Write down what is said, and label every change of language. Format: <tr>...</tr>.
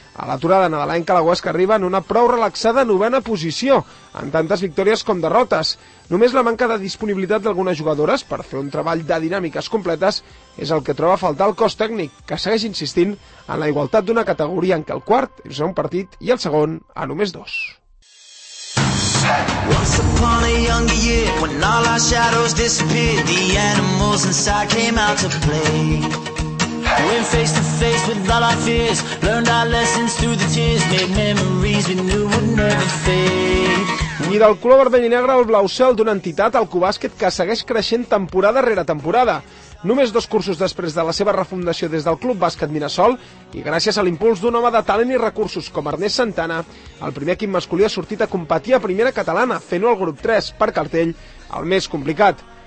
<ca>A l'aturada nadalenca, la UESC arriba en una prou relaxada novena posició, en tantes victòries com derrotes. Només la manca de disponibilitat d'algunes jugadores per fer un treball de dinàmiques completes és el que troba a faltar el cos tècnic, que segueix insistint en la igualtat d'una categoria en què el quart és a un partit i el segon a només dos.</ca> <en>Once upon a younger year, when all our shadows disappeared, the animals inside came out to play. Went face to face with all our fears, learned our lessons through the tears, made memories we knew would never fade.</en> <ca>I del color vermell i negre al blau cel d'una entitat, el Cubàsquet, que segueix creixent temporada rere temporada. Només dos cursos després de la seva refundació des del Club Bàsquet Mirassol i gràcies a l'impuls d'un home de talent i recursos com Ernest Santana, el primer equip masculí ha sortit a competir a primera catalana, fent-ho al grup 3, per cartell, el més complicat.</ca>